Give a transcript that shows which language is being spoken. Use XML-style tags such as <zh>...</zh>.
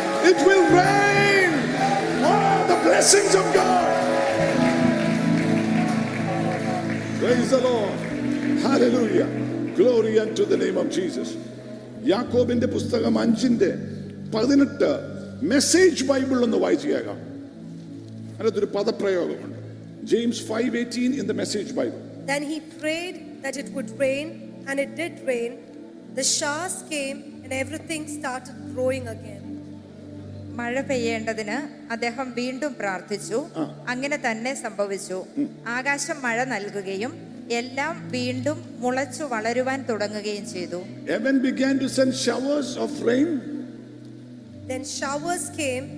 <en>It will rain. Oh, the blessings of God. Praise the Lord. Hallelujah. Glory unto the name of Jesus.</en> <ml>യാക്കോബിന്റെ പുസ്തകം 5:18 message Bible ഒന്ന് വായിച്ചേക്കാം. അതിനൊരു പദപ്രയോഗമുണ്ട്.</ml> <en>James 5:18 in the message bible. Then he prayed that it would rain and it did rain. The showers came and everything started growing again.</en> <ml>മഴ പെയ്യേണ്ടതിനെ അദ്ദേഹം വീണ്ടും പ്രാർത്ഥിച്ചു. അങ്ങനെ തന്നെ സംഭവിച്ചു. ആകാശം മഴ നൽകുകയും എല്ലാം വീണ്ടും മുളച്ചു വളരുവാൻ തുടങ്ങുകയും ചെയ്തു.</ml> <en>Heaven began to send showers of rain. Then showers came.</en>